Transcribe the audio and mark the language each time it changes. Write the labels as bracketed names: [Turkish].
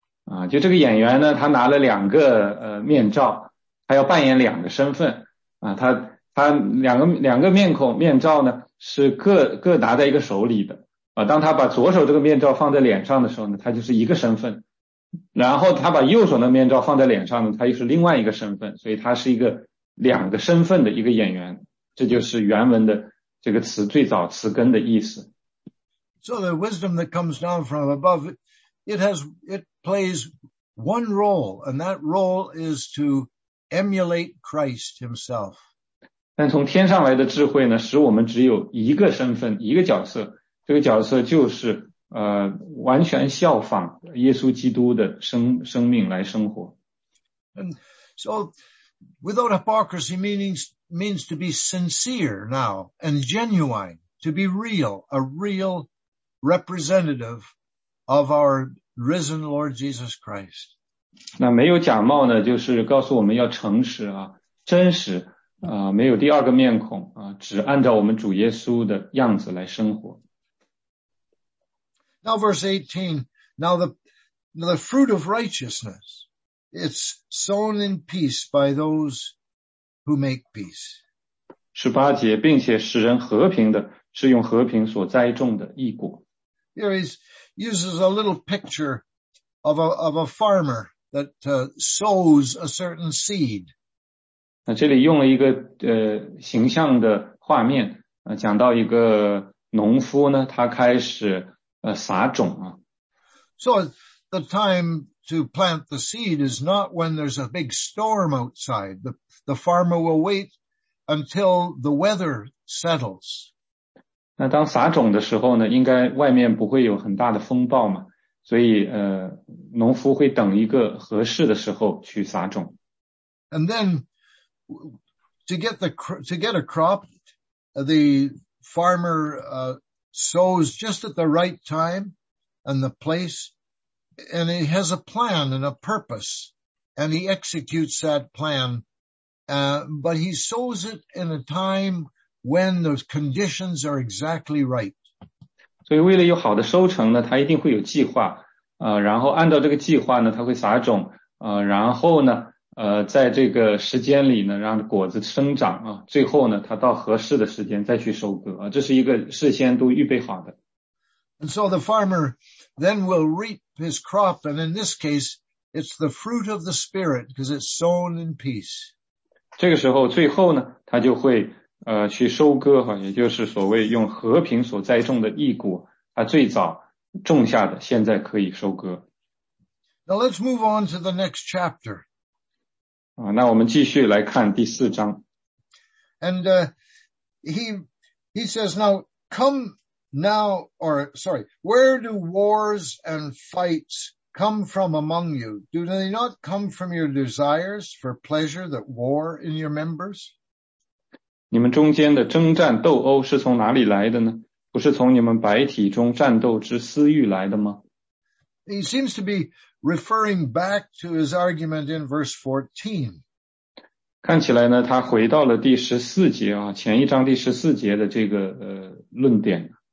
[Chinese] 啊，就这个演员呢，他拿了两个面罩，他要扮演两个身份啊，他两个面孔面罩呢是各拿在一个手里的啊，当他把左手这个面罩放在脸上的时候呢，他就是一个身份，然后他把右手的面罩放在脸上呢，他又是另外一个身份，所以他是一个。两个身份的一个演员，这就是原文的这个词最早词根的意思。 [English] So the wisdom that comes down from above, it plays one role, and that role is to emulate Christ himself. [Chinese] 但从天上来的智慧呢，使我们只有一个身份，一个角色，这个角色就是完全效仿耶稣基督的生命来生活。 [English] And so,without hypocrisy means to be sincere now and genuine, to be real, a real representative of our risen Lord Jesus Christ. [Chinese] 那没有假冒呢，就是告诉我们要诚实啊，真实啊，没有第二个面孔啊，只按照我们主耶稣的样子来生活。 [English] Now verse 18, now the fruit of righteousness. It's sown in peace by those who make peace. [Chinese] 18节，并且使人和平的，是用和平所栽种的义果。 [English] Here he uses a little picture of a farmer that sows a certain seed. [Chinese] 那这里用了一个形象的画面，讲到一个农夫呢，他开始撒种啊。 [English] So the time. To plant the seed is not when there's a big storm outside. The farmer will wait until the weather settles. [Chinese] 那当撒种的时候呢，应该外面不会有很大的风暴嘛，所以农夫会等一个合适的时候去撒种。 [English] And then to get a crop, the farmer sows just at the right time and the place. And he has a plan and a purpose, and he executes that plan, but he sows it in a time when those conditions are exactly right. [Chinese] 所以为了有好的收成呢，他一定会有计划，然后按照这个计划呢，他会撒种，然后呢，在这个时间里呢，让果子生长，最后呢，他到合适的时间再去收割，这是一个事先都预备好的。 [English] And so the farmer then will reap his crop, and in this case, it's the fruit of the Spirit, because it's sown in peace. [Chinese] 这个时候最后呢，他就会去收割，也就是所谓用和平所栽种的义果，他最早种下的，现在可以收割。 [English] Now let's move on to the next chapter. [Chinese] 那我们继续来看第四章。 [English] And he says, now come... where do wars and fights come from among you? Do they not come from your desires for pleasure that war in your members? [Chinese] 你们中间的征战斗殴是从哪里来的呢？不是从你们白体中战斗之私欲来的吗？ [English] He seems to be referring back to his argument in verse 14. [Chinese] 看起来呢，他回到了第十四节啊，前一章第十四节的这个论点。